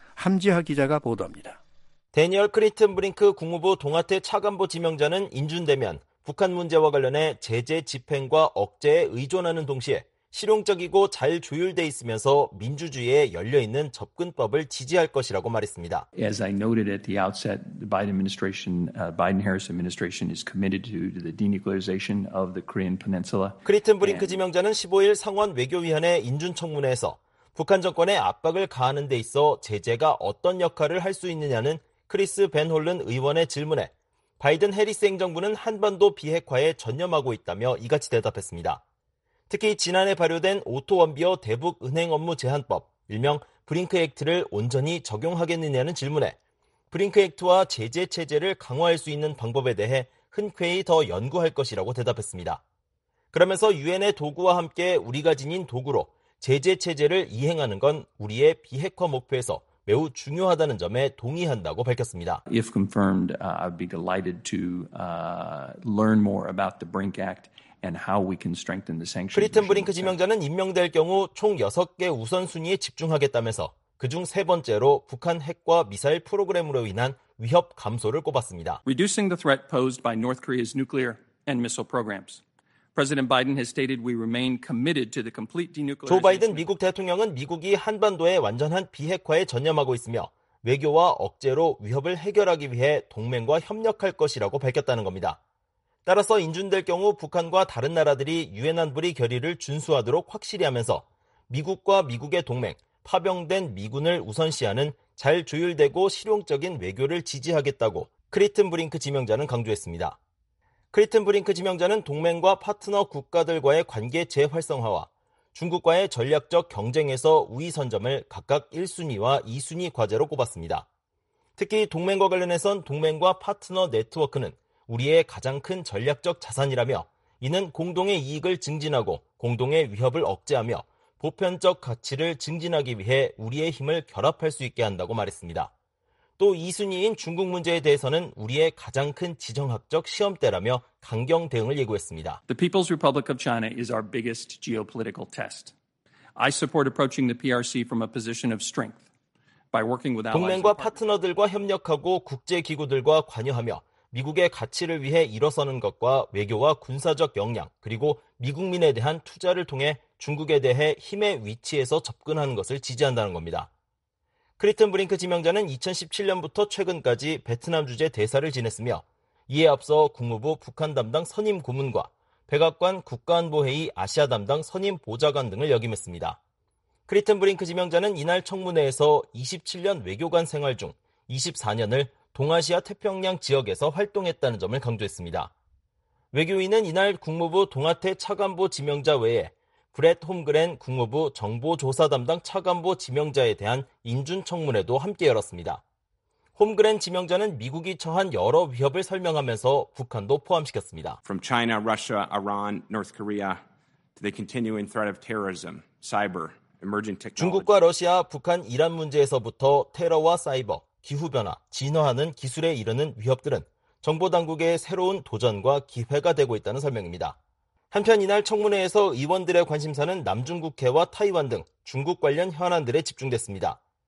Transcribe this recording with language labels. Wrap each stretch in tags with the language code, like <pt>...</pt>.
<ko>함지하 기자가 보도합니다. 대니얼 크리튼 브링크 국무부 동아태 차관보 지명자는 인준되면 북한 문제와 관련해 제재 집행과 억제에 의존하는 동시에 실용적이고 잘 조율돼 있으면서 민주주의에 열려 있는 접근법을 지지할 것이라고 말했습니다.</ko> <en>As I noted at the outset, the Biden administration, Biden-Harris administration is committed to the denuclearization of the Korean Peninsula.</en> <ko>크리튼 브링크 지명자는 15일 상원 외교위원회 인준 청문회에서 북한 정권에 압박을 가하는 데 있어 제재가 어떤 역할을 할 수 있느냐는 크리스 벤 홀른 의원의 질문에 바이든 해리스 행정부는 한반도 비핵화에 전념하고 있다며 이같이 대답했습니다. 특히 지난해 발효된 오토원비어 대북은행 업무 제한법, 일명 브링크 액트를 온전히 적용하겠느냐는 질문에 브링크 액트와 제재 체제를 강화할 수 있는 방법에 대해 흔쾌히 더 연구할 것이라고 대답했습니다. 그러면서 유엔의 도구와 함께 우리가 지닌 도구로 제재 체제를 이행하는 건 우리의 비핵화 목표에서 매우 중요하다는 점에 동의한다고 밝혔습니다.</ko> <en>If confirmed, I'd be delighted to learn more about the Brink Act and how we can strengthen the sanctions.</en> <ko>크리튼 브링크 지명자는 임명될 경우 총 6개 우선순위에 집중하겠다면서 그중 세 번째로 북한 핵과 미사일 프로그램으로 인한 위협 감소를 꼽았습니다.</ko> <en>Reducing the threat posed by North Korea's nuclear and missile programs. President Biden has stated we remain committed to the complete denuclearization.</en> <ko>조 바이든 미국 대통령은 미국이 한반도의 완전한 비핵화에 전념하고 있으며 외교와 억제로 위협을 해결하기 위해 동맹과 협력할 것이라고 밝혔다는 겁니다. 따라서 인준될 경우 북한과 다른 나라들이 유엔 안보리 결의를 준수하도록 확실히 하면서 미국과 미국의 동맹, 파병된 미군을 우선시하는 잘 조율되고 실용적인 외교를 지지하겠다고 크리튼 브링크 지명자는 강조했습니다. 크리튼 브링크 지명자는 동맹과 파트너 국가들과의 관계 재활성화와 중국과의 전략적 경쟁에서 우위 선점을 각각 1순위와 2순위 과제로 꼽았습니다. 특히 동맹과 관련해선 동맹과 파트너 네트워크는 우리의 가장 큰 전략적 자산이라며 이는 공동의 이익을 증진하고 공동의 위협을 억제하며 보편적 가치를 증진하기 위해 우리의 힘을 결합할 수 있게 한다고 말했습니다. 또 2순위인 중국 문제에 대해서는 우리의 가장 큰 지정학적 시험대라며 강경 대응을 예고했습니다.</ko> <en>The People's Republic of China is our biggest geopolitical test. I support approaching the PRC from a position of strength by working with allies.</en> <ko>동맹과 파트너들과 협력하고 국제 기구들과 관여하며 미국의 가치를 위해 일어서는 것과 외교와 군사적 역량 그리고 미국민에 대한 투자를 통해 중국에 대해 힘의 위치에서 접근하는 것을 지지한다는 겁니다. 크리튼 브링크 지명자는 2017년부터 최근까지 베트남 주재 대사를 지냈으며 이에 앞서 국무부 북한 담당 선임 고문과 백악관 국가안보회의 아시아 담당 선임 보좌관 등을 역임했습니다. 크리튼 브링크 지명자는 이날 청문회에서 27년 외교관 생활 중 24년을 동아시아 태평양 지역에서 활동했다는 점을 강조했습니다. 외교위는 이날 국무부 동아태 차관보 지명자 외에 브렛 홈그랜 국무부 정보조사 담당 차관보 지명자에 대한 인준 청문회도 함께 열었습니다. 홈그랜 지명자는 미국이 처한 여러 위협을 설명하면서 북한도 포함시켰습니다.</ko> <en>From China, Russia, Iran, North Korea to the continuing threat of terrorism, cyber, emerging technology.</en> <ko>중국과 러시아, 북한, 이란 문제에서부터 테러와 사이버, 기후변화, 진화하는 기술에 이르는 위협들은 정보당국의 새로운 도전과 기회가 되고 있다는 설명입니다. 한편 이날 청문회에서 의원들의 관심사는 남중국해와 타이완 등 중국 관련 현안들에 집중됐습니다.</ko>